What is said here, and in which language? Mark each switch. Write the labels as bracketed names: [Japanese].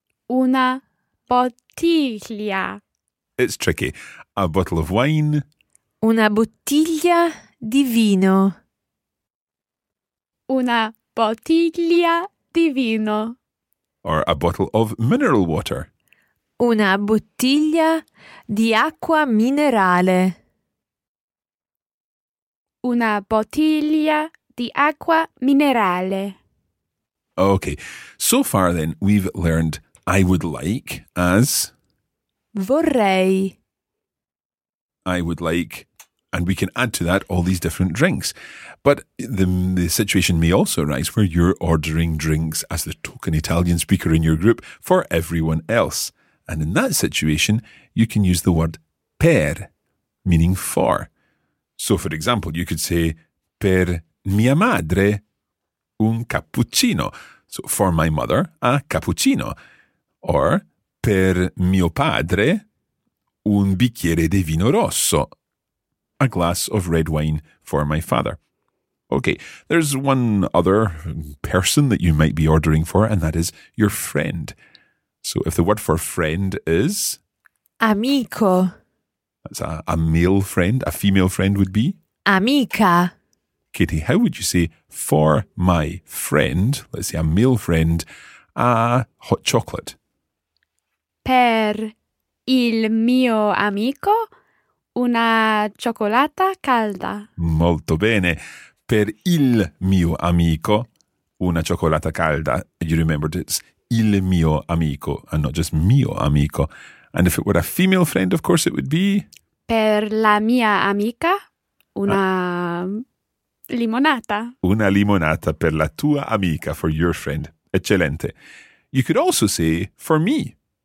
[Italian] Una bottiglia. [English] It's tricky. A bottle of wine. [Italian] Una bottiglia di vino. Una bottiglia di vino. [English] Or a bottle of mineral water. [Italian] Una bottiglia di acqua minerale. Una bottiglia di acqua minerale. [English] Okay, so far then we've learned I would like as... [Italian] Vorrei. [English] I would like, and we can add to that all these different drinks. But the situation may also arise where you're ordering drinks as the token Italian speaker in your group for everyone else. And in that situation, you can use the word per, meaning for. So, for example, you could say, [Italian] per mia madre, un cappuccino. [English] So, for my mother, a cappuccino. Or, [Italian] per mio padre, un bicchiere di vino rosso. [English] A glass of red wine for my father. Okay, there's one other person that you might be ordering for, and that is your friend. So if the word for friend is... [Italian] Amico. [English] That's a male friend. A female friend would be... [Italian] Amica. [English] Katie, how would you say for my friend, let's say a male friend, a hot chocolate? [Italian] Per il mio amico, una cioccolata calda. Molto bene. Per il mio amico, una cioccolata calda. [English] You remembered it's il mio amico and not just mio amico. And if it were a female friend, of course, it would be... [Italian] Per la mia amica, una limonata. Una limonata per la tua amica, [English] for your friend. [Italian] Eccellente. [English] You could also say, for me.